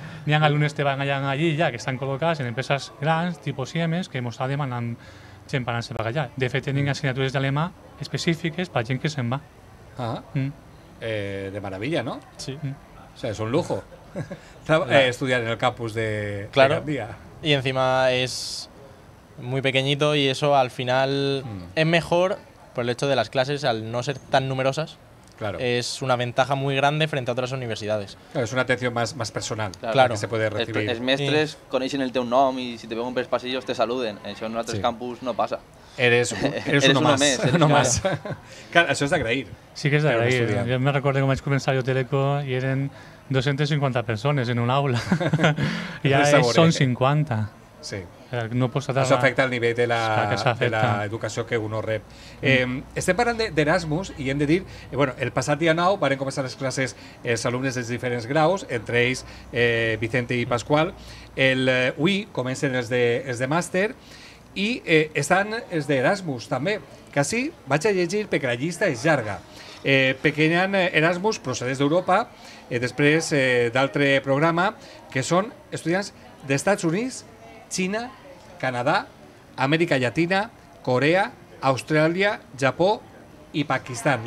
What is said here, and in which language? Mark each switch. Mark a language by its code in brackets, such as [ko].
[ca] N'hi ha alumnes que van allà ja, que estan col·locats en empreses grans, tipus Siemens, que ens està demanant gent per anar-se per allà. De fet, tenim assignatures d'alemà específiques per gent que se'n va. Ah, de meravella, no? Sí. O sigui, és un lujo estudiar en el campus de Gandia. [es] Claro, y encima es muy pequeñito y eso al final es mejor por el hecho de las clases al no ser tan numerosas. Claro. Es una ventaja muy grande frente a otras universidades. Claro, es una atención más personal, claro, que se puede recibir. Los mestres conocen el [ca] teu nom [es] y si te ven por los pasillos te saluden. Eso en otros campus no pasa. Eres uno más. Uno más. Claro, eso es [ca] de agrair. [es] Sí que es [ca] de agrair. [es] Yo me recuerdo cuando comenzaba yo Teleco y eran 250 personas en un aula. Y ahora son 50. Sí. No puedo tratar. Eso afecta al nivel de la educación que uno rep. [ca] Estem parlant d'Erasmus i hem de dir, bueno, el passat dia 9 van començar les classes els alumnes dels diferents graus, entre ells Vicente i Pasqual. Avui comencen els de màster i estan els d'Erasmus també. Quasi vaig a llegir perquè la llista és llarga. Perquè hi ha Erasmus procedents d'Europa, després d'altre programa, que són estudiants d'Estats Units, Xina, Canadà, Amèrica Llatina, Corea, Austràlia, Japó i Pakistan.